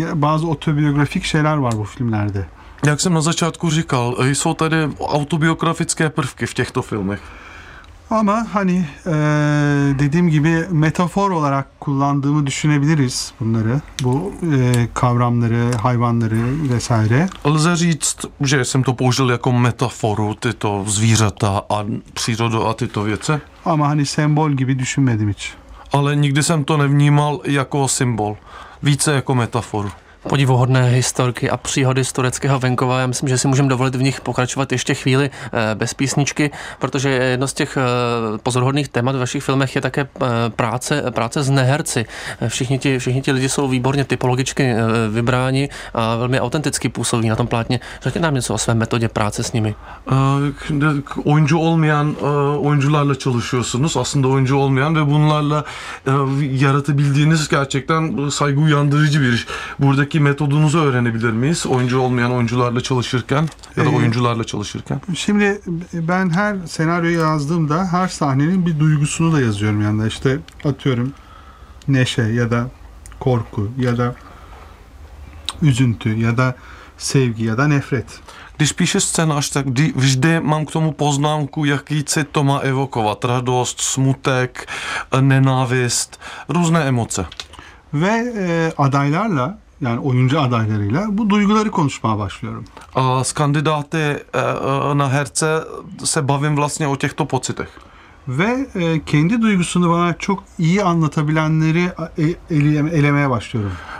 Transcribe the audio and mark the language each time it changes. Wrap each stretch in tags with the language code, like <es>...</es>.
<tr>Bazı otobiyografik şeyler var bu filmlerde.</tr> <cs>Jak jsem na začátku říkal, jsou tady autobiografické prvky v těchto filmech.</cs> <tr>Ama hani dediğim gibi metafor olarak kullandığımı düşünebiliriz bunları. Bu kavramları, hayvanları vesaire.</tr> <cs>Lze říct, že jsem to použil jako metaforu, tyto zvířata a přírodu a tyto věce.</cs> <tr>Ama hani sembol gibi düşünmedim hiç.</tr> <cs>Ale nikdy jsem to nevnímal jako symbol, více jako metaforu. Podivuhodné historky a příhody z tureckého venkova. Já myslím, že si můžeme dovolit v nich pokračovat ještě chvíli bez písničky, protože jedno z těch pozoruhodných témat v vašich filmech je také práce s neherci. Všichni ti lidi jsou výborně typologicky vybráni a velmi autenticky působí na tom plátně. Řekněte nám něco o své metodě práce s nimi.</cs> <tr>Oyuncu olmayan oyuncularla çalışıyorsunuz. Aslında oyuncu olmayan ve bunlarla yaratabildiğiniz gerçekten saygı uyandırıcı bir iş. Burada ki metodunuzu öğrenebilir miyiz? Oyuncu olmayan oyuncularla çalışırken ya da oyuncularla çalışırken. Şimdi ben her senaryoyu yazdığımda her sahnenin bir duygusunu da yazıyorum yanında. İşte atıyorum neşe ya da korku ya da üzüntü ya da sevgi ya da nefret.</tr> <cs>Když píše scénář, tak vždy mám k tomu poznámku, jaký cit to má evokovat. Radost, smutek, nenávist, různé emoce.</cs> <tr>Ve adaylarla yani oyuncu adaylarıyla bu duyguları konuşmaya başlıyorum.</tr> <cs>S kandidáty na herce se bavím vlastně o těchto pocitech.</cs> <tr>Ve kendi duygusunu bana çok iyi anlatabilenleri elemeye başlıyorum.</tr>